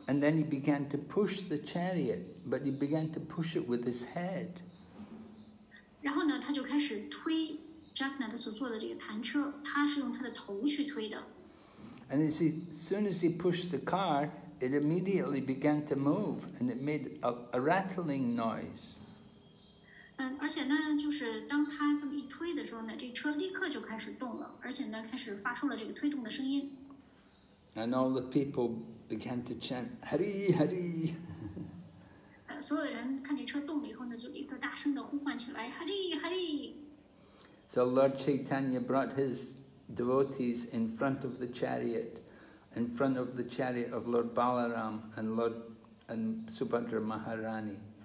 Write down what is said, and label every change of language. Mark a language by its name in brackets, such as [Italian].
[English] And then he began to push the chariot, but he began to push it with his head. [Chinese] 然后呢，他就开始推 Jagannath 所坐的这个弹车，他是用他的头去推的。 [English] And as soon as he pushed the car, it immediately began to move, and it made a rattling noise. [Chinese] 而且呢，就是当他这么一推的时候呢，这车立刻就开始动了，而且呢，开始发出了这个推动的声音。 [English] And all the people began to chant, Hari Hari. [Chinese] 所有的人看这车动了以后呢，就立刻大声的呼唤起来 ，Hari Hari. [English] So Lord Chaitanya brought his devotees in front of the chariot, in front of the chariot of Lord Balaram and Lord and Subhadra Maharani.